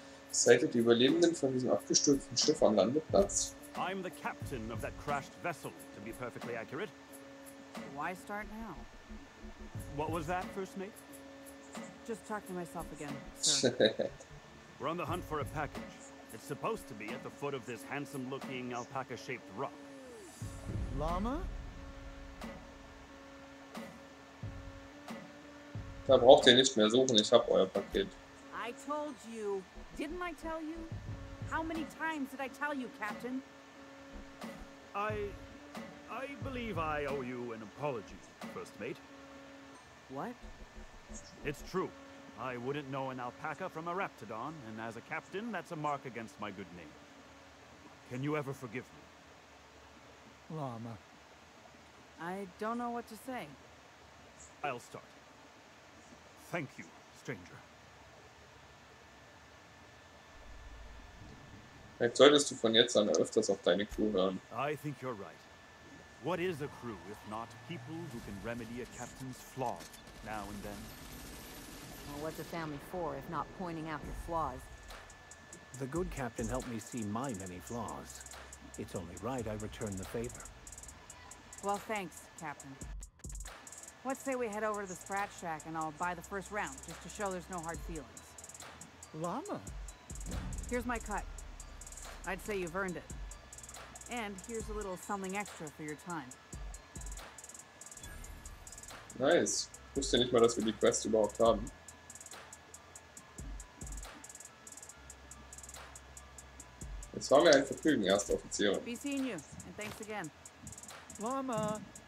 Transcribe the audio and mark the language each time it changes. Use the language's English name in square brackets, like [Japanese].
[German] Seid ihr die Überlebenden von diesem abgestürzten Schiff am Landeplatz? [English] I'm the captain of that crashed vessel, to be perfectly accurate. Why start now? What was that, first mate? Just talking to myself again, sir. We're on the hunt for a package. It's supposed to be at the foot of this handsome-looking alpaca-shaped rock. Llama? [German] Da braucht ihr nicht mehr suchen, ich hab euer Paket. [English] I told you. Didn't I tell you? How many times did I tell you, Captain? I believe I owe you an apology, First Mate. What? It's true. I wouldn't know an alpaca from a raptodon, and as a captain, that's a mark against my good name. Can you ever forgive me? Llama. I don't know what to say. I'll start. Thank you, stranger. [German] Vielleicht solltest du von jetzt an öfters auf deine Crew hören. [English] I think you're right. What is a crew if not people who can remedy a captain's flaws now and then? Well, what's a family for if not pointing out your flaws? The good captain helped me see my many flaws. It's only right I return the favor. Well, thanks, Captain. Let's say we head over to the Scratch Shack and I'll buy the first round, just to show there's no hard feelings. Llama? Here's my cut. I'd say you've earned it. And here's a little something extra for your time. Nice. [German] Wusste nicht mal, dass wir die Quest überhaupt haben. Jetzt fahren wir ein Vergnügen, erster Offizier. [English] Be seeing you, and thanks again. Llama!